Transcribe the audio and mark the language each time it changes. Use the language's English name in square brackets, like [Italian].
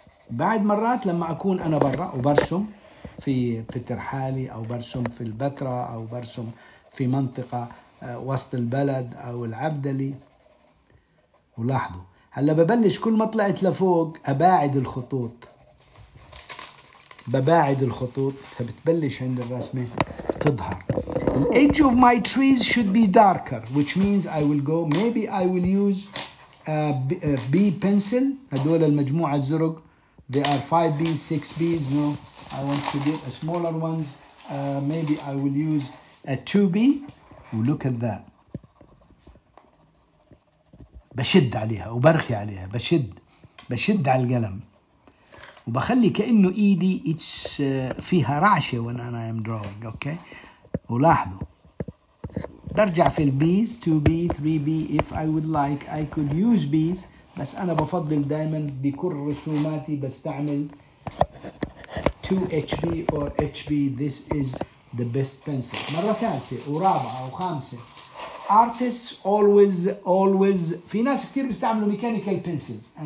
[Arabic] بعد مرات لما أكون أنا برا وبرسم في بتر حالي أو برسم في البتراء أو برسم في منطقة وسط البلد أو العبدلي. ولاحظوا هلا ببلش كل ما طلعت لفوق أباعد الخطوط. بباعد الخطوط فبتبلش عند الرسمة تظهر. [English] The edge of my trees should be darker, which means I will go, maybe I will use B pencil. [Arabic] هدول المجموعة الزرق. [English] They are 5Bs, 6Bs. No, I want to get a smaller ones. Maybe I will use a 2B. Look at that. [Arabic] بشد عليها وبرخي عليها. بشد على القلم. وبخلي كأنه إيدي [English] it's [Arabic] فيها رعشة [English] when I am drawing. Okay. [Arabic] ولاحظوا. برجع في البيز 2B 3B. [English] If I would like I could use bees. [Arabic] بس أنا بفضل دائما بكل رسوماتي بستعمل 2HB or HB. [English] This is the best pencil. [Arabic] مرة ثالثة ورابعة وخامسة. [English] Artists always [Arabic] في ناس كتير بيستعملوا mechanical pencils.